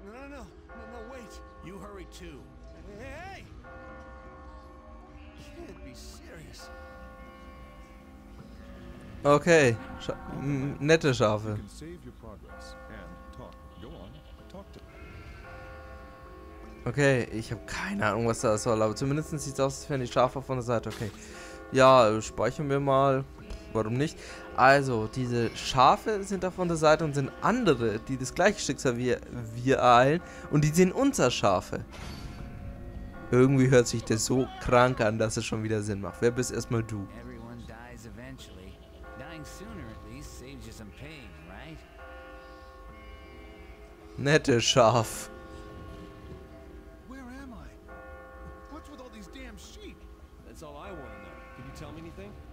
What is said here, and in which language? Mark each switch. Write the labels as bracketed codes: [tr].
[en] No, wait. You hurry too. Hey! Can't be serious. [de] Okay, nette Schafe. [en] You can save your progress and talk. Go on, talk to me. [de] Okay, ich habe keine Ahnung, was das soll, aber zumindest sieht es aus, als wären die Schafe von der Seite. Okay. Ja, speichern wir mal. Warum nicht? Also, diese Schafe sind da von der Seite und sind andere, die das gleiche Schicksal wie wir ereilen. Und die sind unser Schafe. Irgendwie hört sich das so krank an, dass es schon wieder Sinn macht. Wer bist erstmal du? [en] Everyone dies eventually. Dying sooner at least saves you some pain, right? [de] Nette Schaf. [en] Where am I? What's with all these damn sheep? That's all I want to know. Can you tell me anything?